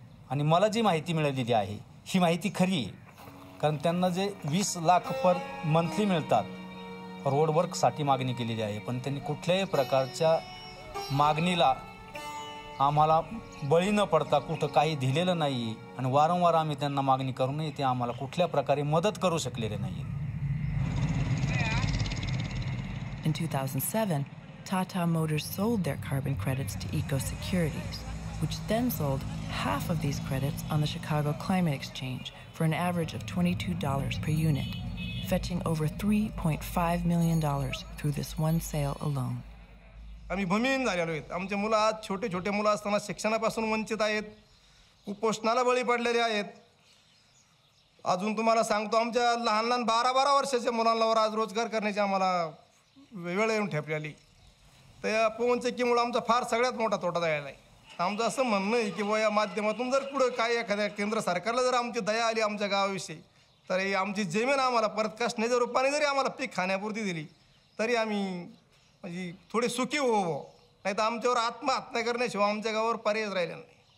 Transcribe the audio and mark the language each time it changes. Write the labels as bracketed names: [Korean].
[Marathi] आणि मला जी माहिती मिळालेली आहे ही माहिती खरी आहे, कारण त्यांना जे 20 लाख पर मंथली मिळतात रोडवर्कसाठी मागणी केलेली आहे, पण त्यांनी कुठल्याही प्रकारच्या मागणीला आम्हाला बळी न पडता कुठं काही दिलेलं नाही आहे. आणि वारंवार आम्ही त्यांना मागणी करूनही ते आम्हाला कुठल्या प्रकारे मदत करू शकलेले नाही. [English] In 2007, Tata Motors sold their carbon credits to Eco Securities, which then sold half of these credits on the Chicago Climate Exchange for an average of $22 per unit, fetching over $3.5 million through this one sale alone. [Marathi] आम्ही भूमिहीन झालेलो आहेत. आमचे मुलं आज छोटे छोटे मुलं असताना शिक्षणापासून वंचित आहेत, कुपोषणाला बळी पडलेले आहेत. अजून तुम्हाला सांगतो, आमच्या लहान लहान 12-12 वर्षाच्या मुलांवर आज रोजगार करण्याची आम्हाला वेळ येऊन ठेपलेली. तर या पवनचक्कीमुळे आमचा फार सगळ्यात मोठा तोटा झालेला आहे. आमचं असं म्हणणं आहे की या माध्यमातून जर पुढं काही एखाद्या केंद्र सरकारला जर आमची दया आली आमच्या गावाविषयी, तर ही आमची जमीन आम्हाला परत कष्टाच्या रूपाने जरी आम्हाला पीक खाण्यापुरती दिली तरी आम्ही म्हणजे थोडे सुखी होवो, नाही तर आमच्यावर आत्महत्या करण्याशिवाय आमच्या गावावर पर्यायच राहिला नाही.